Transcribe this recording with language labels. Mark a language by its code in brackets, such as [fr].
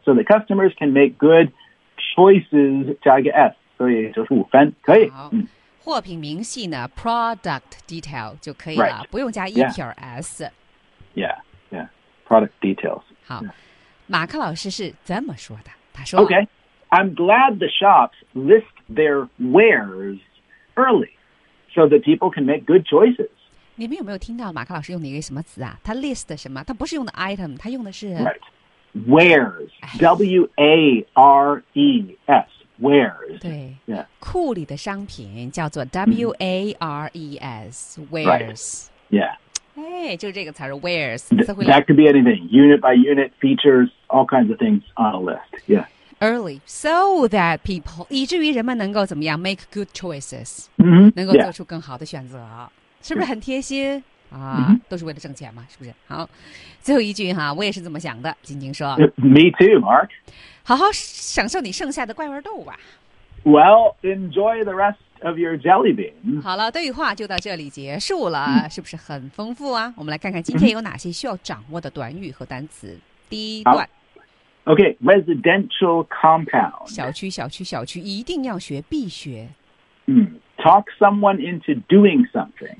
[en] So the customers can make good choiceChoices [zh] 加一个 S， 所以就是五分，可以。好，货品明细呢 ， [en] product detail [zh] 就可以了， [en] right. [zh] 不用加一撇 S。 [en] Yeah，product details。好， yeah. [zh] 马克老师是这么说的，他说 [en] ：“Okay, I'm glad the shops list their wares early, so that people can make good choices。” [zh] 你们有没有听到马克老师用的一个什么词啊？他 list 什么？他不是用的 item， 他用的是。 [en] Right. Wares, W-A-R-E-S, wares. [zh] 对、 [en] yeah. [zh] 库里的商品叫做 W-A-R-E-S,、mm-hmm. wares.、 [en] Right. Yeah. [zh] 哎，就这个词儿 wares. [en] That could be anything, unit by unit, features, all kinds of things on a list. Yeah. Early, so that people, [zh] 以至于人们能够怎么样 [en] make good choices,、 mm-hmm. [zh] 能够做出更好的选择。 [en] Yeah. [zh] 是不是很贴心啊、 mm-hmm. 都是为了挣钱嘛是不是好最后一句哈我也是这么想的晶晶说 [en] Me too, Mark [zh] 好好享受你剩下的怪味豆吧 [en] Well, enjoy the rest of your jelly beans [zh] 好了对话就到这里结束了、 mm-hmm. 是不是很丰富啊我们来看看今天有哪些需要掌握的短语和单词第一段 [en] OK, residential compound [zh] 小区小区小区一定要学必学 [en] 嗯、mm. Talk someone into doing something.